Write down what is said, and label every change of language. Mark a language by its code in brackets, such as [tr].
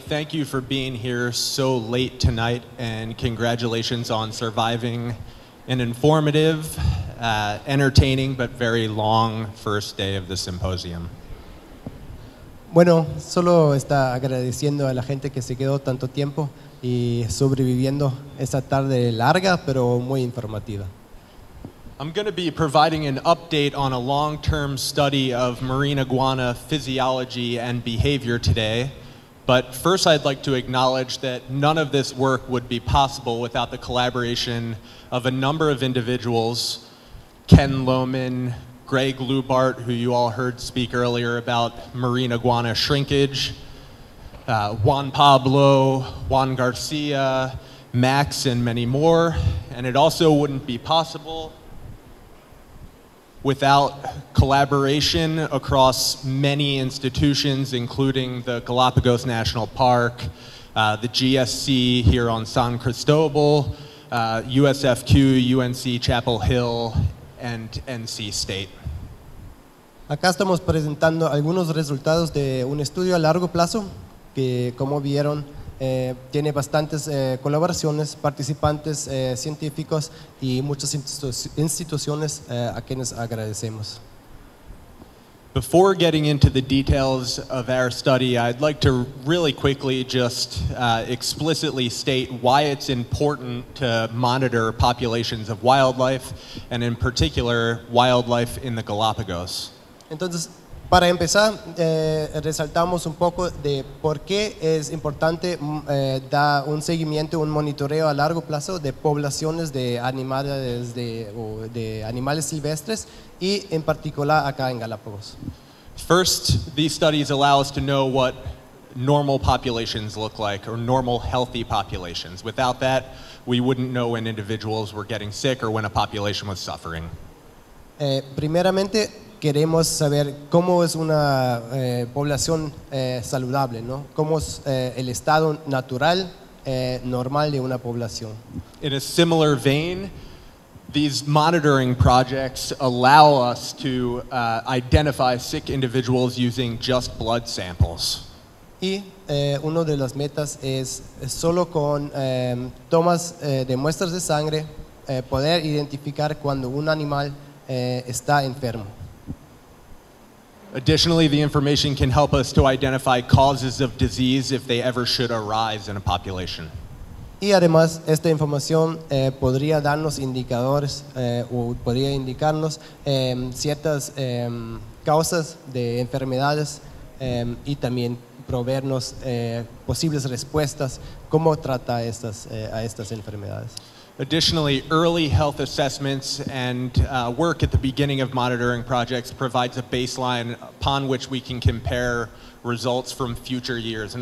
[en] Thank you for being here so late tonight, and congratulations on surviving an informative, entertaining, but very long first day of the symposium. [es] Bueno, solo está agradeciendo a la gente que se quedó tanto tiempo y sobreviviendo esta tarde larga, pero muy informativa. [en] I'm going to be providing an update on a long-term study of marine iguana physiology and behavior today. But first, I'd like to acknowledge that none of this work would be possible without the collaboration of a number of individuals, Ken Lohman, Greg Lubart, who you all heard speak earlier about marine iguana shrinkage, Juan Pablo, Juan Garcia, Max, and many more. And it also wouldn't be possible without collaboration across many institutions, including the Galapagos National Park, the GSC here on San Cristobal, USFQ, UNC Chapel Hill, and NC State. [es] Acá estamos presentando algunos resultados de un estudio a largo plazo que, como vieron, tiene bastantes colaboraciones, participantes, científicos y muchas instituciones a quienes agradecemos. [en] Before getting into the details of our study, I'd like to really quickly just explicitly state why it's important to monitor populations of wildlife, and in particular, wildlife in the Galapagos. [es] Entonces, para empezar, resaltamos un poco de por qué es importante dar un seguimiento, un monitoreo a largo plazo de poblaciones de animales, de animales silvestres y en particular acá en Galápagos. [en] First, these studies allow us to know what normal populations look like, or normal healthy populations. Without that, we wouldn't know when individuals were getting sick or when a population was suffering. [es] Primeramente, queremos saber cómo es una población saludable, ¿no? Cómo es el estado natural, normal de una población. [en] In a similar vein, these monitoring projects allow us to identify sick individuals using just blood samples. [es] Y uno de las metas es solo con tomas de muestras de sangre poder identificar cuando un animal está enfermo. [en] Additionally, the information can help us to identify causes of disease if they ever should arise in a population. [es] Y además, esta información podría darnos indicadores o podría indicarnos ciertas causas de enfermedades y también proveernos posibles respuestas cómo trata estas a estas enfermedades. [en] Additionally, early health assessments and work at the beginning of monitoring projects provides a baseline upon which we can compare results from future years.